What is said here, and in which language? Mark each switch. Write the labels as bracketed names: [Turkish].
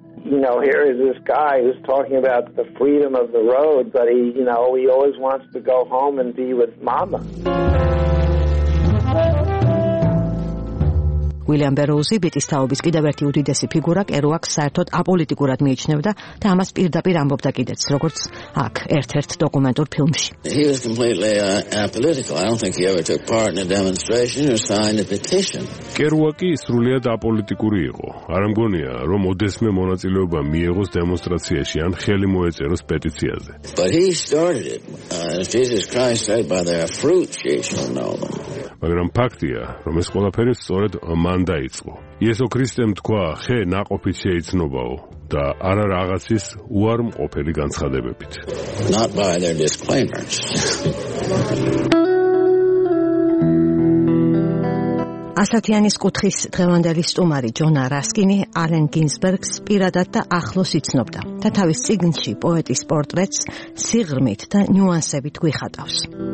[English] You know, here is this guy who's talking about the freedom of the road, but he always wants to go home and be with mama. [Georgian] ვილიამ ბეროუზი ბიტის თაობის კიდევ ერთი უდიდესი ფიგურა კეროაკს საერთოდ აპოლიტიკურად მიიჩნევდა და ამას პირდაპირ ამბობდა კიდეც, როგორც აქ ერთ-ერთ დოკუმენტურ ფილმში. [English] He was completely apolitical. I don't think he ever took part in a demonstration or signed a petition. [Georgian] კეროაკი სრულიად აპოლიტიკური იყო. არ ამგონია, რომ ოდესმე მონაწილეობა მიიღოს დემონსტრაციაში ან ხელი მოეწეროს პეტიციაზე. [English] But he started it. Jesus Christ said by their fruits ye shall know them. [Georgian] მაგრამ ფაქტია, რომ ეს ყველაფერი სწორედ მან დაიწყო. იესო ქრისტემ თქვა, ხე ნაყოფი შეიცნობაო და არა რაღაცის უარმყოფელი განცხადებებით. [English] Not by their disclaimers. [Georgian] ასათიანის კუთხის დღევანდელი სტუმარი ჯონა რასკინი ალენ გინსბერგს პირადად და ახლოს იცნობდა და თავის წიგნში პოეტის პორტრეტს სიღრმით და ნიუანსებით გვიხატავს.